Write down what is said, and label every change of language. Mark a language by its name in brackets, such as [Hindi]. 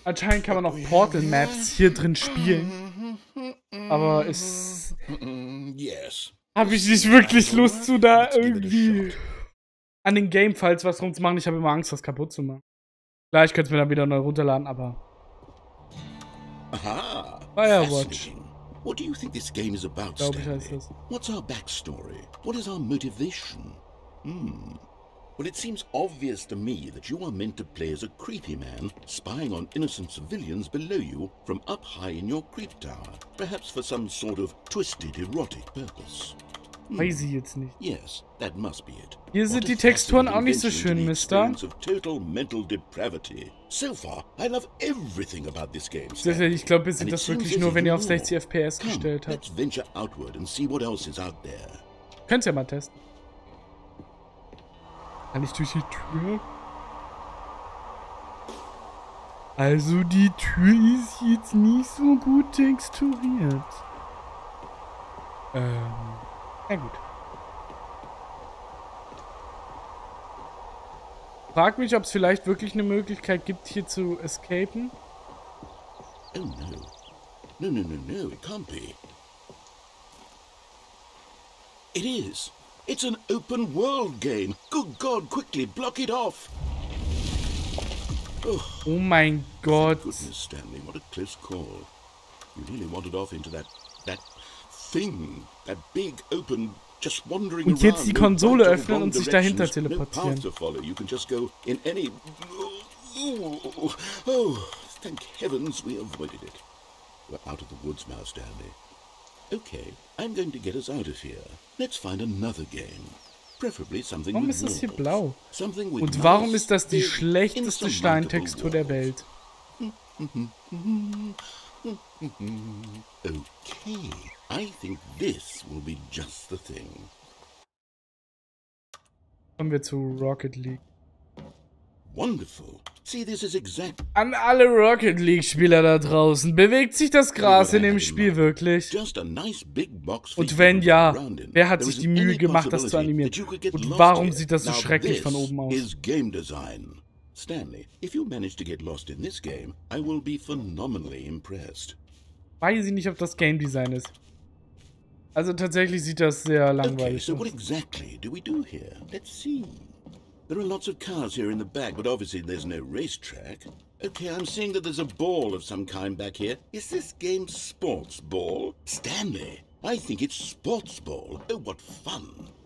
[German] Anscheinend kann man auch Portal Maps hier drin spielen. Aber es... [English] Yes. [German] Habe ich nicht wirklich Lust zu, da irgendwie an den Game, falls was rumzumachen. Ich habe immer Angst, das kaputt zu machen. Klar, ich könnte es mir dann wieder neu runterladen, aber. Aha! Firewatch. [English] What do you think this game is about, Stanley? [German] Glaube ich, heißt das. [English] What's our backstory? What is our motivation? Well, it seems obvious to me that you are meant to play as a creepy man, spying on innocent civilians below you from up high in your creep tower, perhaps for some sort of twisted erotic purpose. [German] Weiß ich jetzt nicht. [English] Yes, that must be it. [German] Hier sind die Texturen auch nicht so schön, Mister. [English] Of total mental depravity. So far, I love everything about this game. [German] Ich glaube, wir sind das wirklich nur, wenn ihr auf 60 FPS gestellt habt. [English] Let's venture outward and see what else is out there. [German] Könnt ihr mal testen. Kann ich durch die Tür? Also die Tür ist jetzt nicht so gut texturiert. Na gut. Frag mich, ob es vielleicht wirklich eine Möglichkeit gibt, hier zu escapen. [English] Oh no. No, no, no, no, it can't be. It is. It's an open world game. Good God, quickly block it off. [German] Ugh. Oh mein Gott. [English] Thank goodness, Stanley, what a close call. You really wandered off into that thing. That big open, just wandering [German] around. Und jetzt die Konsole öffnen und sich dahinter teleportieren. [English] No path to follow. You can just go in any... Oh, thank heavens we avoided it. We're out of the woods now, Stanley. Okay, I'm going to get us out of here. Let's find another game. Preferably something [German] warm. Warum ist das hier blau? Und warum ist das die schlechteste Steintextur der Welt? [English] Okay, I think this will be just the thing. [German] Kommen wir zu Rocket League. [English] Wonderful. See, this is exact. [German] An alle Rocket League Spieler da draußen, bewegt sich das Gras in dem Spiel wirklich? Und wenn ja, wer hat sich die Mühe gemacht, das zu animieren? Und warum sieht das so schrecklich von oben aus? Game Design. [English] Stanley, if you manage to get lost in this game, I will be phenomenally impressed. [German] Weiß ich nicht, ob das Game Design ist. Also tatsächlich sieht das sehr langweilig aus. [English] Okay, so what exactly do we do here? Let's see. There are lots of cars here in the back, but obviously there's no racetrack. Okay, I'm seeing that there's a ball of some kind back here. Is this game sports ball? Stanley, I think it's sports ball. Oh, what fun.